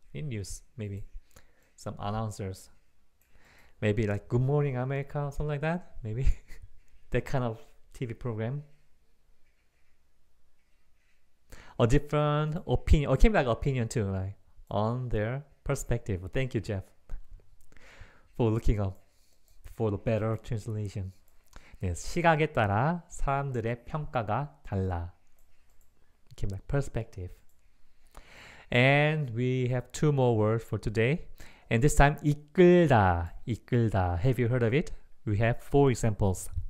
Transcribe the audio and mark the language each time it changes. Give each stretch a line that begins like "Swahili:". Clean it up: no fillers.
English: In news, maybe some announcers, maybe like Good Morning America, something like that, maybe that kind of TV program. A different opinion, or it can be like opinion too, like on their perspective. Thank you, Jeff, for looking up for the better translation.
Korean: 네, 시각에 따라 사람들의 평가가 달라.
English: Okay, my perspective. And we have two more words for today. And this time, 이끌다, 이끌다. Have you heard of it? We have four examples.